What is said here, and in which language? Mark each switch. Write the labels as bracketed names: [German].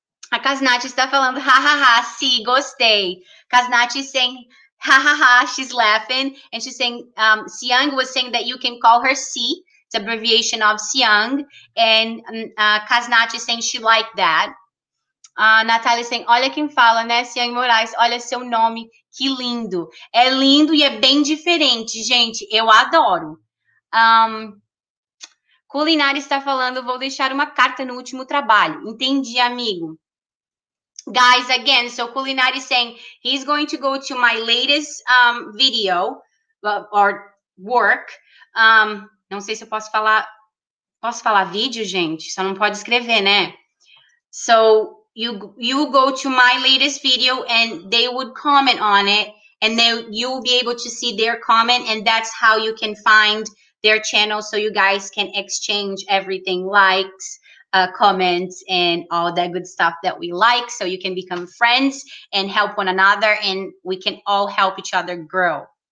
[Portuguese] A Kasnachi está falando ha, ha, ha. Si, gostei. [English] Kasnachi is saying... Ha ha ha, she's laughing. And she's saying, Siang was saying that you can call her C. It's an abbreviation of Siang. And Kasnachi is saying she liked that. [Portuguese] Natália saying, olha quem fala, né? Siang Moraes, olha seu nome. Que lindo. É lindo e é bem diferente, gente. Eu adoro. Culinária está falando, vou deixar uma carta no último trabalho. Entendi, amigo. [English] Guys, again, so Culinary is saying he's going to go to my latest video or work. [Portuguese] Não sei se eu posso falar vídeo, gente. Só não pode escrever, né? [English] So you go to my latest video and they would comment on it, and then you'll be able to see their comment, and that's how you can find their channel, so you guys can exchange everything, likes, comments, and all that good stuff that we like, so you can become friends and help one another, and we can all help each other grow.